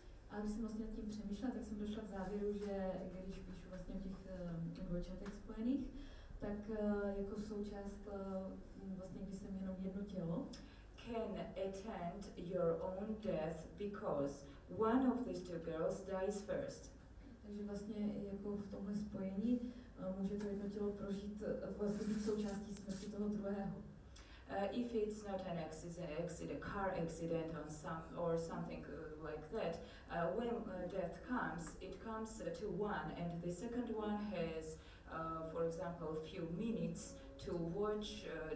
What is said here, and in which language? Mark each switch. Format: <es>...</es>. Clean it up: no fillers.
<cs>A když jsem vlastně nad tím přemýšlela, tak jsem došla k závěru, že když píšu vlastně o těch dvojčatech spojených, tak jako součást vlastně, když jsem jenom jedno tělo.</cs> <en>Can attend your own death because one of these two girls dies first.</en> <cs>Takže vlastně jako v tomhle spojení může to jedno tělo prožít vlastně být součástí smrti toho druhého.</cs> <en>If it's not an accident, a car accident on some or something like that, when death comes, it comes to one, and the second one has, for example, a few minutes to watch.</en>